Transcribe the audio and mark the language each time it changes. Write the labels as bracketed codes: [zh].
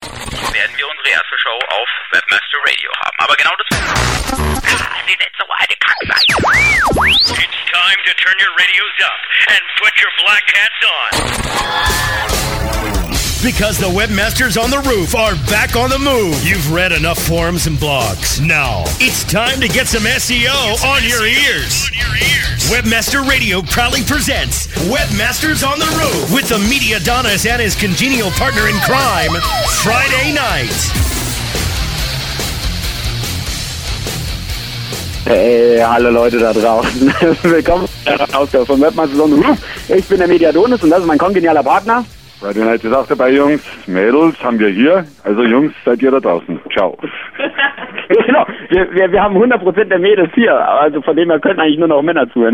[de] werden wir unsere erste Show auf Webmaster Radio haben. Aber genau das... Sie sind so eine Kacke. [en] It's time to turn your radios up and put your black hats on. Because the webmasters on the roof are back on the move. You've read enough forums and blogs. Now, it's time to get some SEO on your ears. Webmaster Radio proudly presents Webmasters on the Roof with the media Donis and his congenial partner in crime, Friday night. [de] Hey, alle Leute da draußen. Willkommen aus der von Webmasters on the Roof. Ich bin der media Donis und das ist mein kongenialer Partner. Friday Night ist auch dabei, Jungs. Mädels haben wir hier. Also Jungs, seid ihr da draußen. Ciao. Genau, wir haben 100% der Mädels hier. Also von dem her könnten eigentlich nur noch Männer zuhören.